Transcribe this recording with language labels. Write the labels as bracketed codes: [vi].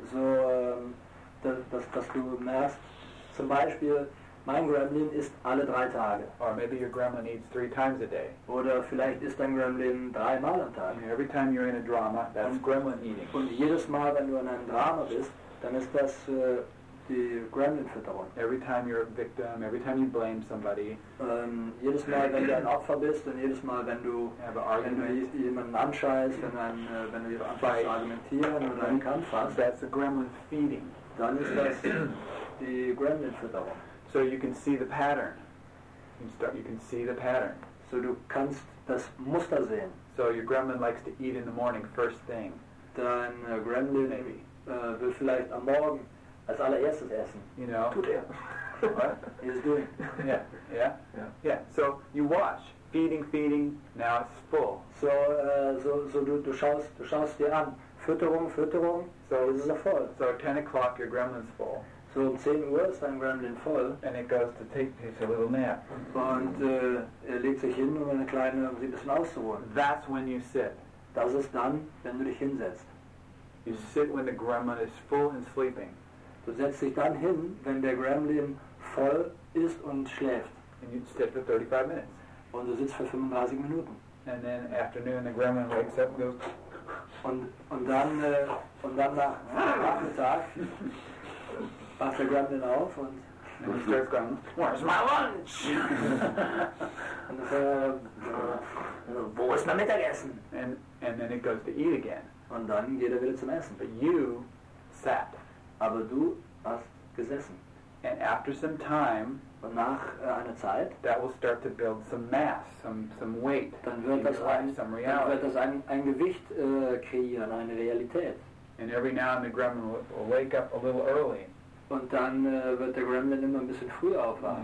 [de] So, dass du merkst, zum Beispiel, mein Gremlin isst alle 3 Tage. [en] Or maybe your gremlin eats 3 times a day. [de] Oder vielleicht isst dein Gremlin 3 Mal am Tag. [en] Every time you're in a drama, that's gremlin eating. [de] Und jedes Mal, wenn du in einem Drama bist, dann ist das die Gremlin-Fütterung. [en] Every time you're a victim, every time you blame somebody. [de] Jedes Mal, wenn du ein Opfer bist und jedes Mal, wenn du jemanden anscheißt, wenn du anfängst zu argumentieren oder einen Kampf hast, [en] that's the gremlin feeding. [de] Dann ist das die Gremlin-Fütterung. [en] So you can see the pattern. You can see the pattern. [de] So du kannst das Muster sehen. [en] So your gremlin likes to eat in the morning first thing. [de] Dein Gremlin [en] maybe [de] will vielleicht am Morgen als allererstes essen. [en] You know. [de] Tut er. [en] What? He's doing. Yeah. So you watch. Feeding. Now it's full. [de] So du schaust dir an. Fütterung. [en] So this is a full. So at 10 o'clock your gremlin's full. [de] So um 10 Uhr ist dein Gremlin voll. [en] And it goes to take a little nap. [de] Und er legt sich hin, um eine kleine, um sich ein bisschen auszuholen. [en] That's when you sit. [de] Das ist dann, wenn du dich hinsetzt. [en] You sit when the gremlin is full and sleeping. [de] Du setzt dich dann hin, wenn der Gremlin voll ist und schläft. [en] And you sit for 35 minutes. [de] Und du sitzt für 35 Minuten. [en] And then afternoon the gremlin wakes up and goes. [de] Und dann nach Nachmittag. Wacht der Gremlin auf und [en] And he starts going, "Where's my lunch?" And then it goes to eat again. [de] Und dann geht wieder zum Essen. [en] But you sat. [de] Aber du hast gesessen. [en] And after some time, [de] und nach einer Zeit, [en] that will start to build some mass, some weight. [de] Dann wird das ein Gewicht kreieren, eine Realität. [en] And every now and then the gremlin will wake up a little early. [de] Und dann wird der Gremlin immer ein bisschen früher aufwachen.